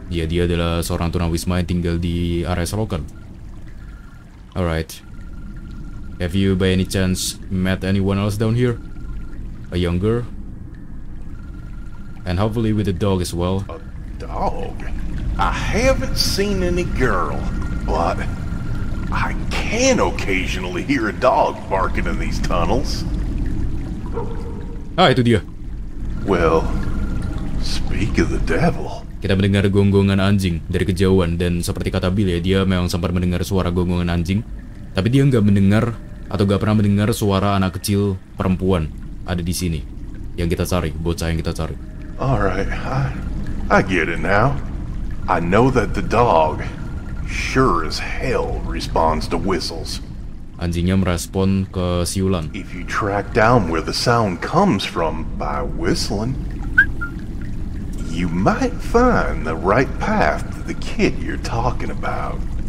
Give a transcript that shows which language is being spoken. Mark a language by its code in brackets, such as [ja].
[id] Ya, dia adalah seorang tunawisma yang tinggal di area selokan. [en] Alright. Have you by any chance met anyone else down here? A young girl? And hopefully with a dog as well. A dog? I haven't seen any girl, but I can occasionally hear a dog barking in these tunnels. [id] Ah, itu dia. [en] Well, speak of the devil. [id] Kita mendengar gonggongan anjing dari kejauhan, dan seperti kata Bill ya, dia memang sempat mendengar suara gonggongan anjing, tapi dia nggak mendengar atau nggak pernah mendengar suara anak kecil perempuan ada di sini yang kita cari, bocah yang kita cari. [en] Alright, I get it now. I know that the dog sure as hell responds to whistles. [id] Anjingnya merespon ke siulan. [en] If you track down where the sound comes from by whistling, you might find the right path to the kid you're talking about.